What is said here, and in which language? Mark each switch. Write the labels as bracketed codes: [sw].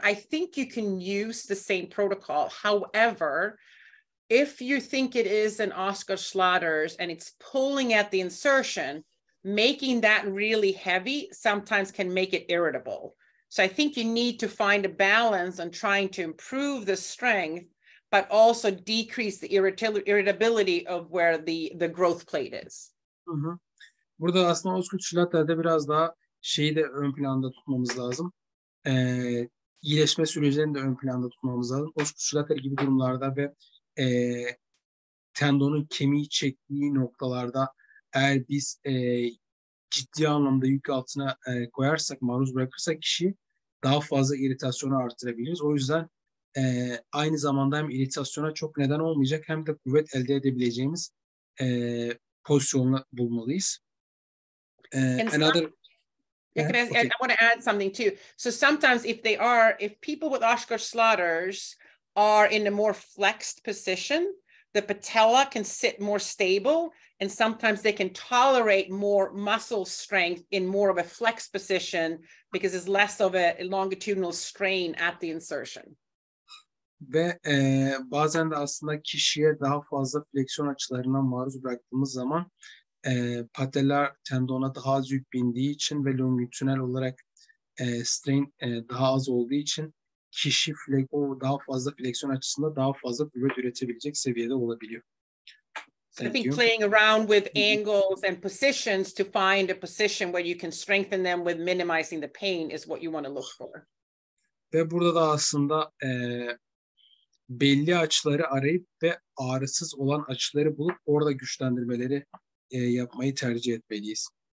[en] I think you can use the same protocol. However, if you think it is an Oscar Schlatter's and it's pulling at the insertion, making that really heavy sometimes can make it irritable. So I think you need to find a balance on trying to improve the strength, but also decrease the irritability of where the growth plate is. Mm-hmm. [tr] Burada aslında Oscar Schlatter'de biraz daha şeyi de ön planda tutmamız lazım. İyileşme sürecini de ön planda tutmamız lazım. Oscar Schlatter gibi durumlarda ve tendonun kemiği çektiği noktalarda eğer biz ciddi anlamda yük altına koyarsak, maruz bırakırsak kişi daha fazla iritasyonu artırabiliriz. O yüzden aynı zamanda hem iritasyona çok neden olmayacak hem de kuvvet elde edebileceğimiz pozisyonu bulmalıyız. [en] I want to add something too. So sometimes if people with Oscar Schlatter's are in a more flexed position, the patella can sit more stable, and sometimes they can tolerate more muscle strength in more of a flexed position because it's less of a longitudinal strain at the insertion. [tr] Ve bazen de aslında kişiye daha fazla fleksiyon açılarına maruz bıraktığımız zaman patellar tendona daha az yük bindiği için ve longitudinal olarak strain daha az olduğu için kişi o daha fazla fleksiyon açısında daha fazla kuvvet üretebilecek seviyede olabiliyor. [en] Thank I think you. Playing around with angles and positions to find a position where you can strengthen them with minimizing the pain is what you want to look for. [tr] Ve burada da aslında belli açıları arayıp ve ağrısız olan açıları bulup orada güçlendirmeleri yapmayı tercih etmeliyiz.